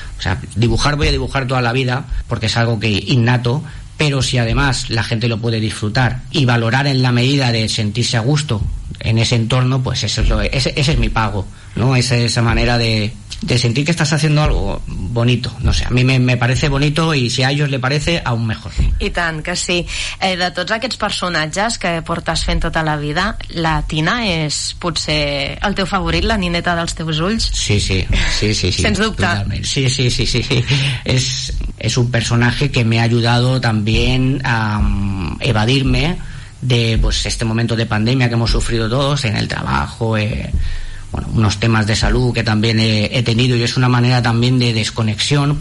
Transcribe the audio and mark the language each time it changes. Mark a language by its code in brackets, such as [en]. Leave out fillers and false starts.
[es] O sea, dibujar voy a dibujar toda la vida, porque es algo que innato, pero si además la gente lo puede disfrutar y valorar en la medida de sentirse a gusto en ese entorno, pues eso es lo, ese es mi pago, ¿no? Esa manera de sentir que estás haciendo algo bonito. No sé, a mí me parece bonito, i si a ellos le parece, aún mejor. [ca] I tant, que sí. De tots aquests personatges que portes fent tota la vida, la Tina és potser el teu favorit, la nineta dels teus ulls? Sí, sí, sí, sí, sí. Sens dubte. Totalment. Sí, sí, sí, sí. És un personatge que m'ha ajudat també a evadir-me de [es] pues, este momento de pandèmia que hemos sufrido todos en el trabajo, bueno, unos temas de salud que también he tenido, y es una manera también de desconexión.